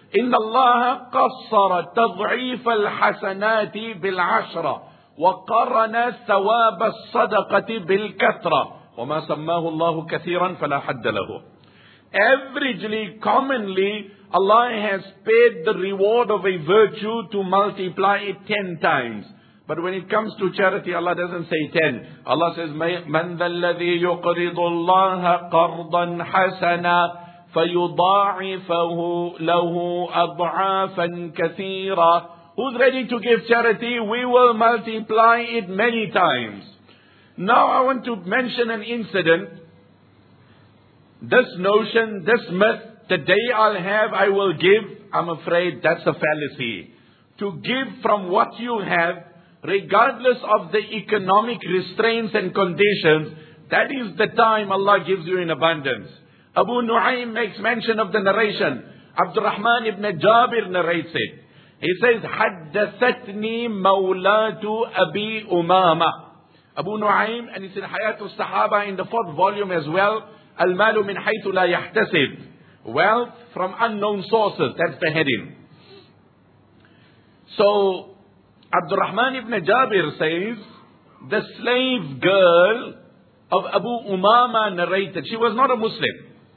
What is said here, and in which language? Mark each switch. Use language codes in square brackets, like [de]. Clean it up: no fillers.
[ar] إِنَّ اللَّهَ قَصَّرَ تَضْعِيفَ الْحَسَنَاتِ بِالْعَشْرَةِ وَقَرَّنَ ثَوَابَ الصَّدَقَةِ بِالْكَثْرَةِ وَمَا سَمَّاهُ اللَّهُ كَثِيرًا فَلَا حَدَّ لَهُ. [en] Averagely, commonly, Allah has paid the reward of a virtue to multiply it 10 times. But when it comes to charity, Allah doesn't say 10. Allah says, [ar] مَنْ ذَا الَّذِي يُقْرِضُ اللَّهَ قَرْضًا حَسَنًا فَيُضَاعِفَهُ لَهُ أَضْعَافًا كَثِيرًا. [en] Who's ready to give charity? We will multiply it many times. Now I want to mention an incident. this notion, this myth, today I'll have, I will give, I'm afraid that's a fallacy. To give from what you have, regardless of the economic restraints and conditions, that is the time Allah gives you in abundance. Abu Nu'aym makes mention of the narration. Abdurrahman ibn Jabir narrates it. He says, [ar] حدثتني مولات أبي أمامة. [en] Abu Nu'aym, and it's in Hayat al-Sahaba in the fourth volume as well, [ar] المال من حيث لا يحتسب. [en] Wealth from unknown sources. That's the heading. So, Abdurrahman ibn Jabir says, the slave girl of Abu Umama narrated, she was not a Muslim.